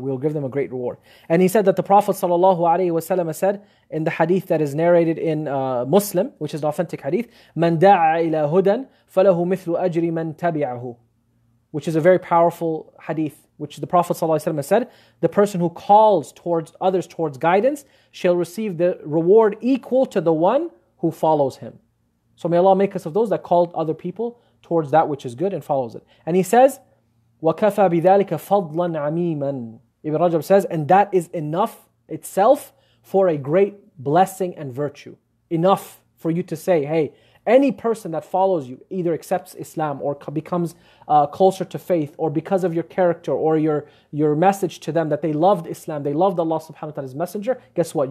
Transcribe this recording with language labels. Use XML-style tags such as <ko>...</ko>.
<en>We will give them a great reward. And he said that the Prophet sallallahu alayhi wa sallam said in the hadith that is narrated in Muslim, which is an authentic hadith,</en> <ar>مَنْ دَعَ إِلَى هُدًى فَلَهُ مِثْلُ أَجْرِ مَنْ تَبِعَهُ,</ar> <en>which is a very powerful hadith, which the Prophet ﷺ said, the person who calls towards others towards guidance shall receive the reward equal to the one who follows him. So may Allah make us of those that call other people towards that which is good and follows it. And he says,</en> <ar>وَكَفَى بِذَلِكَ فَضْلًا عَمِيمًا.</ar> <en>Ibn Rajab says, and that is enough itself for a great blessing and virtue. Enough for you to say, hey, any person that follows you either accepts Islam or becomes closer to faith, or because of your character or your message to them that they loved Islam, they loved Allah subhanahu wa ta'ala's messenger, guess what?</en>